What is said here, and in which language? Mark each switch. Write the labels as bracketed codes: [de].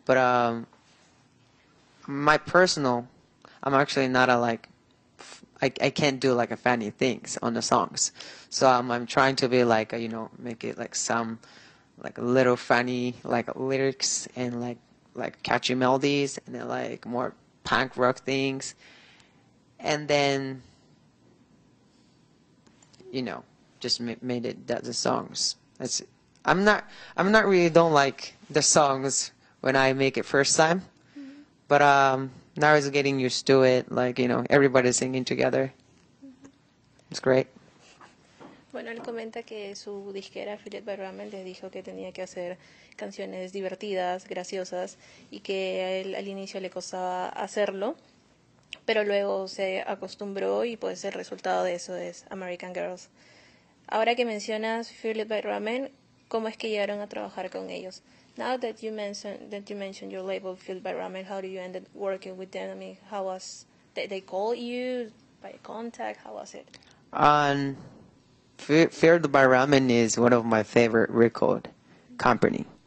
[en] But my personal, I'm actually not a like, I can't do like a funny things on the songs, so I'm trying to be like, you know, make it like some like little funny like lyrics and like catchy melodies and then like more punk rock things, and then you know just made it that the songs. That's I'm not really don't like the songs when I make it first time, mm-hmm. But now it's getting used to it, like, you know, everybody's singing together. Mm-hmm. It's great. [es] Bueno, él comenta que su disquera, Filet by Ramel, le dijo que tenía que hacer canciones divertidas, graciosas, y que a él al inicio le costaba hacerlo, pero luego se acostumbró y pues el resultado de eso es American Girls. Ahora que mencionas Filet by Ramel, ¿cómo es que llegaron a trabajar con ellos? [en] Now that you mentioned your label Filled by Ramen, how do you end up working with them? I mean, how was they call you by contact? How was it? Filled by Ramen is one of my favorite record company.